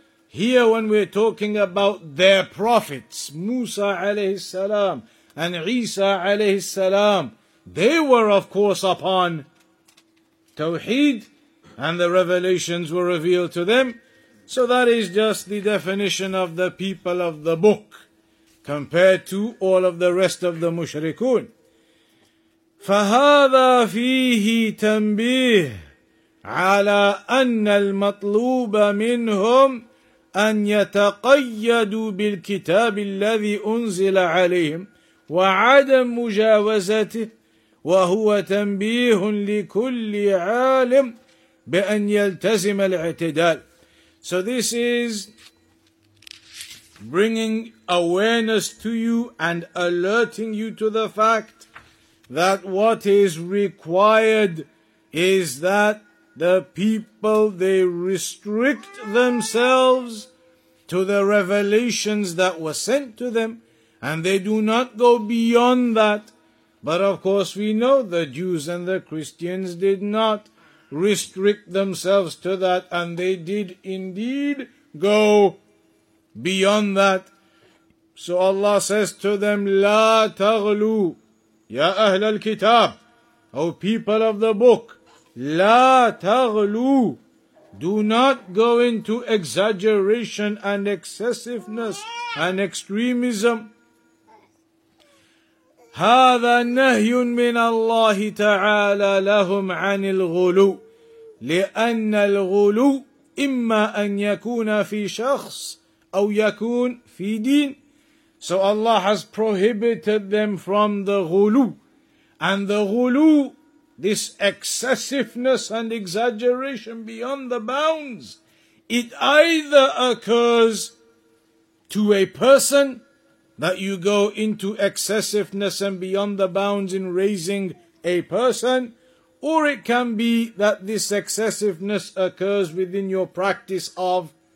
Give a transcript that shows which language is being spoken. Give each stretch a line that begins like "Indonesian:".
English: Here when we're talking about their prophets, Musa alayhi salam and Isa alayhi salam, they were of course upon Tawheed and the revelations were revealed to them. So that is just the definition of the people of the book compared to all of the rest of the mushrikun.
Arabic: فَهَذَا فِيهِ تَنْبِيهِ عَلَىٰ أَنَّ الْمَطْلُوبَ مِنْهُمْ أن يتقيدوا بالكتاب الذي أنزل عليهم وعدم مجاوزته وهو تنبيه لكل عالم بأن يلتزم الاعتدال.
English: So this is bringing awareness to you and alerting you to the fact that what is required is that the people, they restrict themselves to the revelations that were sent to them, and they do not go beyond that. But of course we know the Jews and the Christians did not restrict themselves to that, and they did indeed go beyond that. So Allah says to them,
Arabic: La taghlu, Ya Ahl al-Kitab,
English: O people of the book, La taghlu, do not go into exaggeration and excessiveness and extremism.
Arabic: هذا نهي من الله تعالى لهم عن الغلو لأن الغلو إما أن يكون في شخص أو يكون في دين.
English: So Allah has prohibited them from the غلو. And the غلو, this excessiveness and exaggeration beyond the bounds, it either occurs to a person that you go into excessiveness and beyond the bounds in raising a person, or it can be that this excessiveness occurs within your practice of